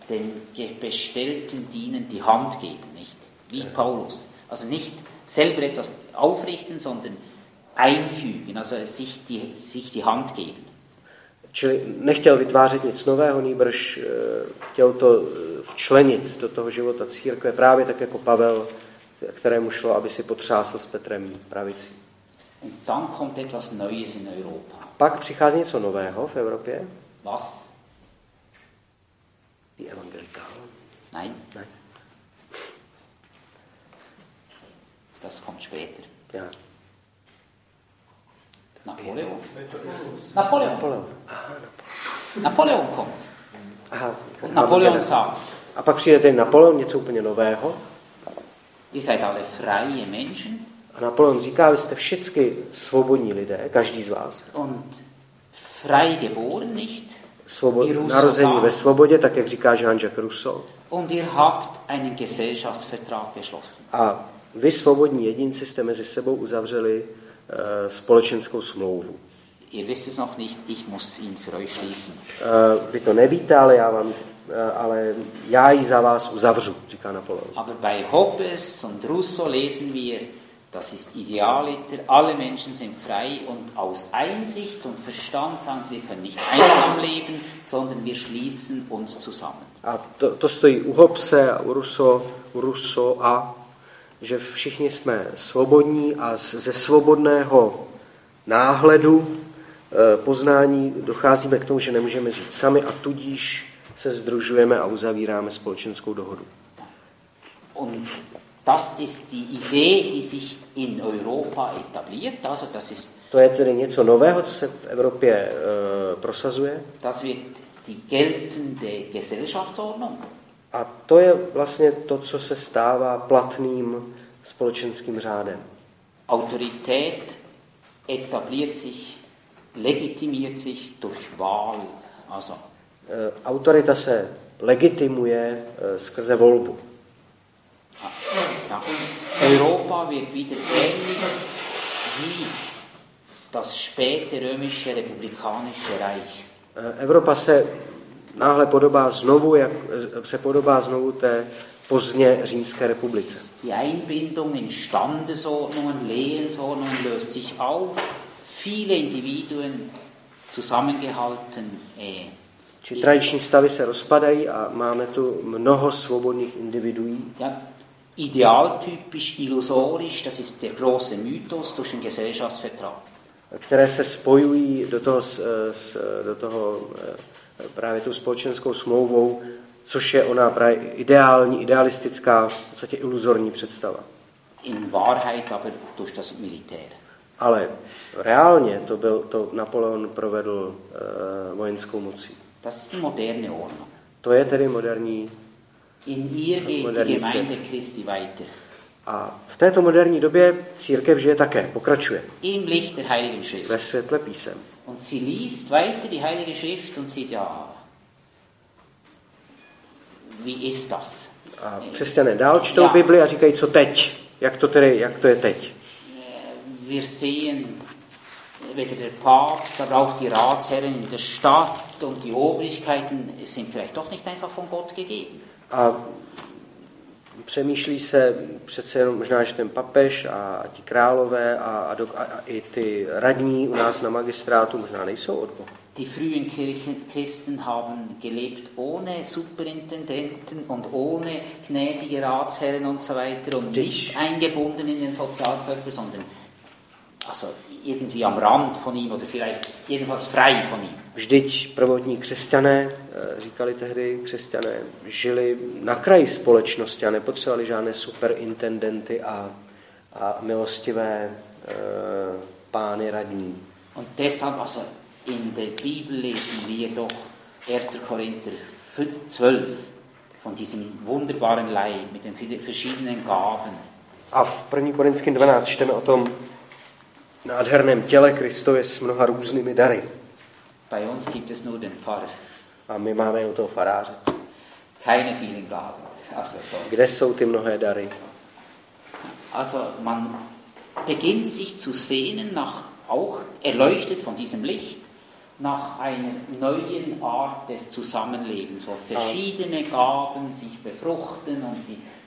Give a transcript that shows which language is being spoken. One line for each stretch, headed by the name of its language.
German: Den gebestellten dienen die Hand geben, nicht? Wie Paulus. Also nicht selber etwas aufrichten, sondern einfügen, also sich die Hand geben.
Czech: Čili nechtěl vytvářet nic nového, nýbrž chtěl to včlenit do toho života církve, právě tak jako Pavel, kterému šlo, aby si potřásl s Petrem pravicí.
German: Und dann kommt etwas Neues in Europa.
Czech: Pak přichází něco nového v Evropě.
German: Was? Die Evangelikál. Nein. Das kommt später. Ja. Napoleon. Napoleon kommt. Aha. Napoleon sagt.
Czech: A pak přijde ten Napoleon, něco úplně nového.
German: Ihr seid alle freie Menschen.
Czech: A Napoleon říká, vy jste všichni svobodní lidé, každý z vás.
German: Und frei geboren, nicht?
Czech: Narození ve svobodě, tak jak říká Jean-Jacques Rousseau.
German: Und ihr habt einen Gesellschaftsvertrag geschlossen.
Czech: A vy svobodní jedinci jste mezi sebou uzavřeli společenskou smlouvu.
German: Ihr wisst es noch nicht, ich muss ihn für euch schließen.
Czech: Vy to nevíte, ale já vám, ale já ji za vás uzavřu, říká Napoleon.
German: Aber bei Hobbes und Rousseau lesen wir, das ist idealiter, alle Menschen sind frei und aus Einsicht und Verstand sagen wir können nicht einsam leben, sondern wir schließen uns zusammen.
Czech: A to stojí u Hobbese, u Rousseau a že všichni jsme svobodní a ze svobodného náhledu poznání docházíme k tomu, že nemůžeme žít sami a tudíž se sdružujeme a uzavíráme společenskou dohodu.
German: Und das ist die Idee, die sich in Europa etabliert, also das ist.
Czech: To je tedy něco nového, co se v Evropě prosazuje.
German: Das wird die geltende Gesellschaftsordnung.
Czech: A to je vlastně to, co se stává platným společenským řádem.
German: Autorität etabliert sich, legitimiert sich durch Wahl. Also.
Czech: Autorita se legitimuje skrze volbu.
German: Ja. Europa wird wieder ähnlich wie das späte römische republikanische Reich.
Czech: Evropa se náhle podobá znovu, jak se podobá znovu té pozdně Římské republice.
German: Die Einbindung in Standesordnungen, Lehensordnungen löst sich auf. Viele Individuen zusammengehalten.
Czech: Či tradiční stavy se rozpadají a máme tu mnoho svobodných individuí.
German: Ja, idealtypisch, illusorisch, das ist der große Mythos durch den Gesellschaftsvertrag.
Czech: Které se spojují do toho právě tou společenskou smlouvou, což je ona právě ideální, idealistická, v podstatě iluzorní představa.
German: In Wahrheit, aber durch das Militär.
Czech: Ale reálně to Napoleon provedl vojenskou mocí.
German: Das ist die moderne Ordnung.
Czech: To je tedy moderní.
German: In ihr geht die Gemeinde Christi weiter.
Czech: A v této moderní době církev žije také, pokračuje.
German: Im Licht der Heiligen Schrift.
Czech: Ve světle písem.
German: Und sie liest weiter die Heilige Schrift und sieht, ja, wie ist das?
Czech: A křesťané dál čtou Bibli a říkají, co teď? Jak to je teď?
German: Wir sehen, weder der Papst, aber auch die Ratsherren in der Stadt und die Obrigkeiten sind vielleicht doch nicht einfach von Gott gegeben.
Czech: A přemýšlí se přece jenom možná, že ten papež a ti králové a i ty radní u nás na magistrátu možná nejsou od Boha.
German: Die frühen Christen haben gelebt ohne Superintendenten und ohne gnädige Ratsherren und so weiter und nicht eingebunden in den Sozialkörper, sondern also irgendwie am Rand von ihm oder vielleicht jedenfalls frei von ihm.
Czech: Vždyť prvotní křesťané, říkali tehdy křesťané, žili na kraji společnosti a nepotřebovali žádné superintendenty a milostivé pány radní.
German: Und deshalb also in der Bibel lesen wir doch 1. Korinther 12 von diesem wunderbaren Leib mit den verschiedenen Gaben.
Czech: A v 1. Korinským 12 čteme o tom nádherném těle Kristově s mnoha různými dary.
German: Bei uns gibt es nur den Pfarrer.
Czech: A my máme u toho faráře.
German: Keine vielen Gaben. Also so.
Czech: Kde jsou ty mnohé dary?
German: Also man beginnt sich zu sehnen nach, auch erleuchtet von diesem Licht, nach einer neuen Art des Zusammenlebens, wo verschiedene Gaben sich befruchten und die